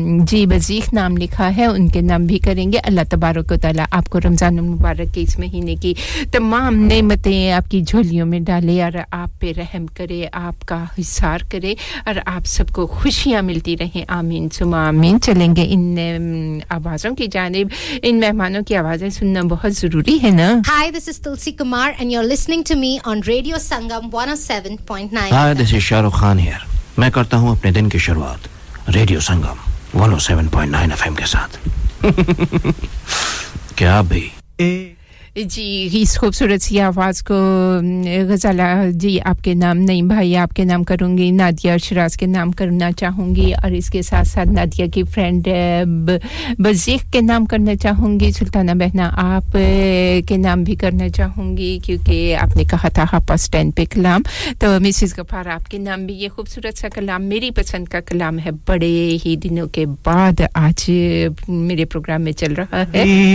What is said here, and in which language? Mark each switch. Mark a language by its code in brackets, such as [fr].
[ur] جی بزیخ نام لکھا ہے ان کے نام بھی کریں گے اللہ تبارک و تعالیٰ آپ کو رمضان المبارک کے اس مہینے کی تمام نعمتیں آپ کی جھولیوں میں ڈالے اور آپ پہ رحم کرے آپ کا حصار کرے اور آپ سب کو خوشیاں ملتی رہیں آمین ثم آمین چلیں گے ان آوازوں کی جانب ان مہمانوں کی آوازیں سننا بہت ضروری ہے نا [en] Hi, this is Tulsi Kumar and you're listening to me on Radio Sangam 107.9 Hi, this is Shah Rukh Khan here [ur] میں کرتا ہوں اپنے دن کی شروعات Radio Sangam 107.9 FM کے ساتھ کیا بھی جی اس خوبصورت سی آواز کو غزالہ جی آپ کے نام نعیم بھائی آپ کے نام کروں گی نادیہ اور شراز کے نام کرنا چاہوں گی اور اس کے ساتھ ساتھ نادیہ کی فرینڈ بزیخ کے نام کرنا چاہوں گی سلطانہ بہنہ آپ کے نام بھی کرنا چاہوں گی کیونکہ آپ نے کہا تھا ہاپا سٹین پہ کلام تو مسز غفار آپ کے نام بھی یہ خوبصورت سا کلام میری پسند کا کلام ہے بڑے ہی دنوں کے بعد آج میرے پروگرام میں چل رہا ہے